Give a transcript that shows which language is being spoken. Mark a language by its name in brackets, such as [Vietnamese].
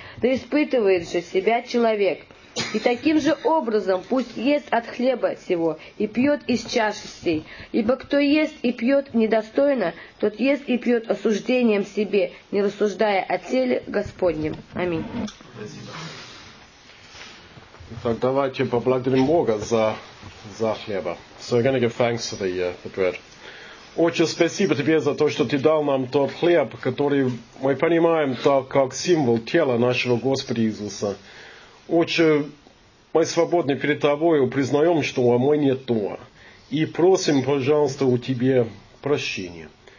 [Russian] Да испытывает же себя человек. И таким же образом пусть ест от хлеба сего и пьет из чаши сей. Ибо кто ест и пьет недостойно, тот ест и пьет осуждением себе, не рассуждая о теле Господнем». Аминь. Итак, давайте поблагодарим Бога за хлеба. [English] So we're going to give thanks for the bread. [Russian] Отче, спасибо тебе за то, что ты дал нам тот хлеб, который мы понимаем так, как символ тела нашего Господа Иисуса. Отче, мы свободны перед тобою, признаем, что мы не то. И просим, пожалуйста, у тебя прощения.